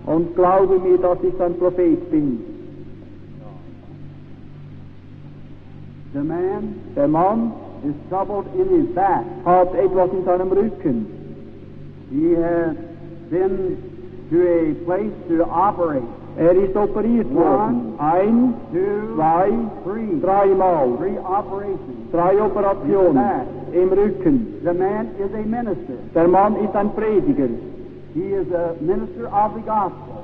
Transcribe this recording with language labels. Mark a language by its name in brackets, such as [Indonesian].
[German] Und glaube mir, dass ich sein Prophet bin. [English] The man, [German] der Mann, [English] is troubled in his back. [German] Hat etwas in seinem Rücken. [English] He has been to a place to operate. [German] Er ist operiert worden. [English] Ein, two, [German] zwei, [English] three. [German] Drei Mal. [English] Three operations. [German] Drei Operationen im Rücken. [English] The man is a minister. [German] Der Mann ist ein Prediger. [English] He is a minister of the gospel.